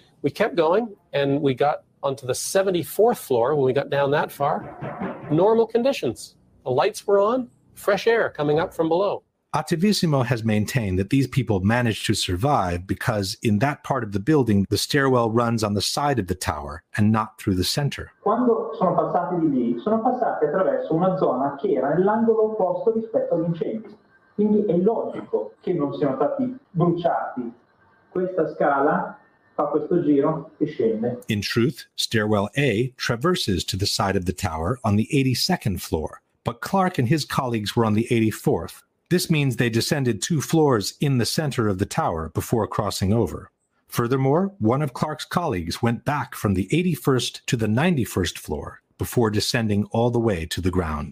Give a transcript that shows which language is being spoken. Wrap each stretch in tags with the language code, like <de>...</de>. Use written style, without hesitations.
<en>We kept going, and we got onto the 74th floor. When we got down that far, normal conditions. The lights were on, fresh air coming up from below. Attivissimo has maintained that these people managed to survive because in that part of the building, the stairwell runs on the side of the tower and not through the center.</en> <it>Quando sono passati di lì, sono passati attraverso una zona che era nell'angolo opposto rispetto all'incendio. Quindi è logico che non siano stati bruciati. Questa scala fa questo giro e scende.</it> <en>In truth, stairwell A traverses to the side of the tower on the 82nd floor, but Clark and his colleagues were on the 84th. This means they descended two floors in the center of the tower before crossing over. Furthermore, one of Clark's colleagues went back from the 81st to the 91st floor before descending all the way to the ground.</en>